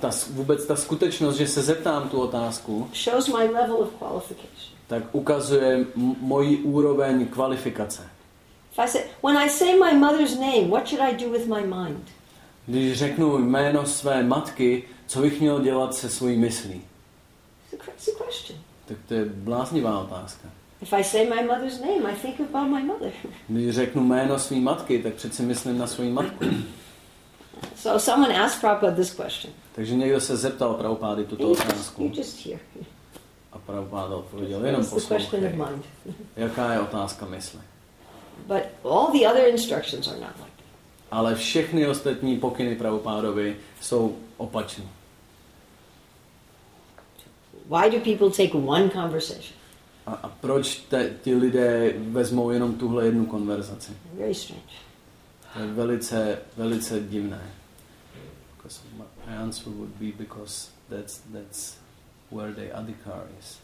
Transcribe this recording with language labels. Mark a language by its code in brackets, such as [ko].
[cs] Vůbec ta skutečnost, že se zeptám tu otázku. [en] Shows my level of qualification. [cs] Tak ukazuje moji úroveň kvalifikace. [en] When I say my mother's name, what should I do with my mind? [cs] Když řeknu jméno své matky, co bych měl dělat se svojí myslí? [en] It's a question. [cs] Tak to je bláznivá otázka. [en] If I say my mother's name, I think about my mother. [cs] Když řeknu jméno své matky, tak přece myslím na svou matku. [en] So someone asked Prabhupada this question. [cs] Takže někdo se zeptal Prabhupády tuto otázku. [en] You just hear. [cs] A Prabhupáda odpověděl jenom poslouchej. Jaká je otázka mysli? [en] But all the other instructions are not like that. [cs] Ale všechny ostatní pokyny Prabhupádovi jsou opačné. [en] Why do people take one conversation? [cs] A proč ti lidé vezmou jenom tuhle jednu konverzaci? [en] Very strange. [cs] To je velice, velice divné. [en] Because my answer would be because that's where the adhikar is.